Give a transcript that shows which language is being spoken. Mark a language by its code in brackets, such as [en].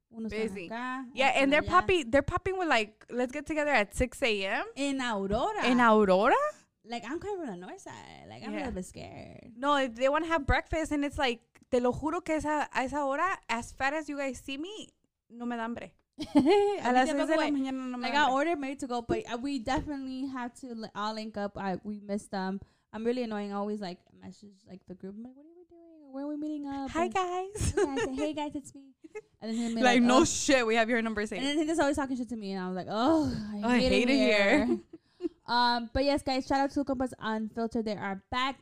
[en] Busy. Yeah, and they're popping. They're popping with like, let's get together at 6 a.m. In Aurora. In Aurora? Like, I'm kind of on the north side. Like, I'm a little bit scared. No, they want to have breakfast, and it's like, [es] te lo juro que a esa hora, [en] as fat as you guys see me, [es] no me da hambre. A las 6 de la mañana no me da hambre. [en] Like, I ordered made to go, but we definitely have to all link up. We missed them. I'm really annoying. I always like message like the group. I'm like, what are we doing? Where are we meeting up? Hi, guys. Okay, hey, guys, it's me. And then like no shit, we have your number saved. And then he's always talking shit to me, and I was like, I hate it here. But yes, guys, shout out to Compas Unfiltered. They are back.